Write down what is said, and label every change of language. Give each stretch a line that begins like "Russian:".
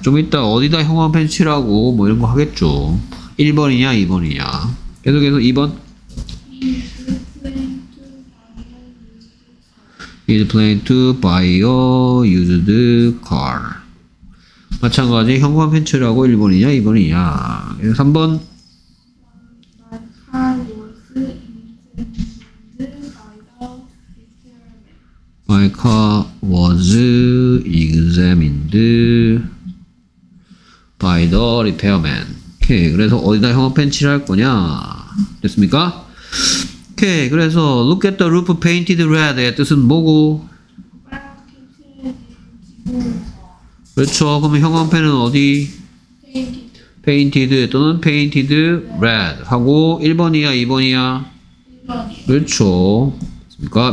Korean: 좀 이따 어디다 형광 펜칠하고 뭐 이런 거 하겠죠. 1번이냐 2번이냐. 계속해서 2번
English: is planning to buy a used car.
Korean: 마찬가지 형광 펜칠하고 1번이냐 2번이냐.
English: 3번 My car was examined by the repairman.
Korean: 오케이. 그래서 어디다 형광 펜칠할 거냐. 됐습니까? 오케이. 그래서
English: look at the roof painted red
Korean: 의 뜻은 뭐고? 그렇죠. 그러면 형광 펜은 어디? painted 또는 painted red 하고 1번이야 2번이야? 그렇죠. 됐습니까?